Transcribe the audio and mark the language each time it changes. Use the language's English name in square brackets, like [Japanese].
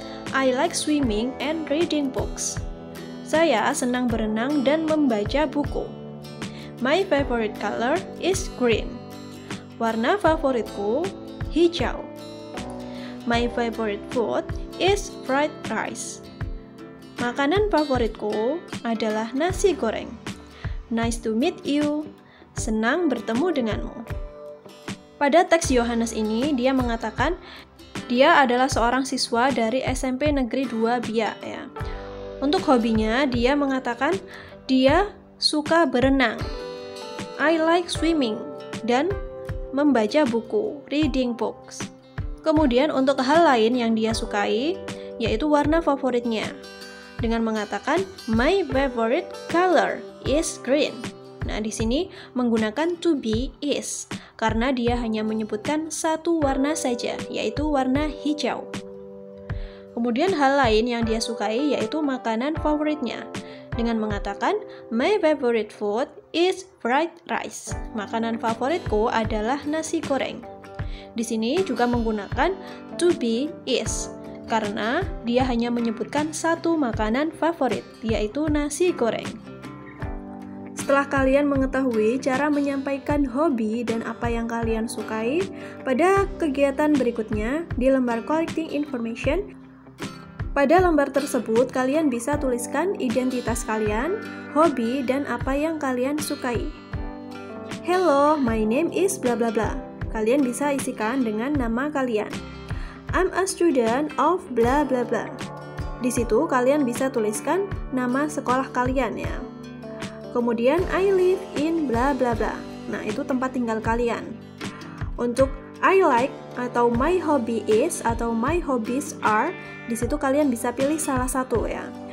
[English] I like swimming and reading books. [Indonesian] Saya senang berenang dan membaca buku. [English] My favorite color is green. [Indonesian] Warna favoritku hijau. [English] My favorite food is fried rice. [Indonesian] Makanan favoritku adalah nasi goreng. [English] Nice to meet you. [Indonesian] Senang bertemu denganmu. Pada teks Johannes ini, dia mengatakan dia adalah seorang siswa dari SMP Negeri 2 Bia. Ya. Untuk hobinya, dia mengatakan dia suka berenang. [English] I like swimming. [Indonesian] Dan membaca buku, [English] reading books. [Indonesian] Kemudian untuk hal lain yang dia sukai, yaitu warna favoritnya. Dengan mengatakan, [English] my favorite color is green. [Indonesian] Nah, di sini menggunakan [English] to be is, [Indonesian] karena dia hanya menyebutkan satu warna saja, yaitu warna hijau. Kemudian hal lain yang dia sukai, yaitu makanan favoritnya. Dengan mengatakan, [English] my favorite food is fried rice. [Indonesian] Makanan favoritku adalah nasi goreng. Di sini juga menggunakan [English] to be is, [Indonesian] karena dia hanya menyebutkan satu makanan favorit, yaitu nasi goreng. Setelah kalian mengetahui cara menyampaikan hobi dan apa yang kalian sukai, pada kegiatan berikutnya, di lembar [English] collecting information, [Indonesian] pada lembar tersebut, kalian bisa tuliskan identitas kalian, hobi, dan apa yang kalian sukai. [English] Hello, my name is bla bla bla. [Indonesian] Kalian bisa isikan dengan nama kalian. [English] I'm a student of bla bla bla. [Indonesian] Di situ kalian bisa tuliskan nama sekolah kalian ya. Kemudian [English] I live in bla bla bla. [Indonesian] Nah, itu tempat tinggal kalian. Untuk [English] I like [Indonesian] atau [English] my hobby is [Indonesian] atau [English] my hobbies are, [Indonesian] di situ kalian bisa pilih salah satu ya.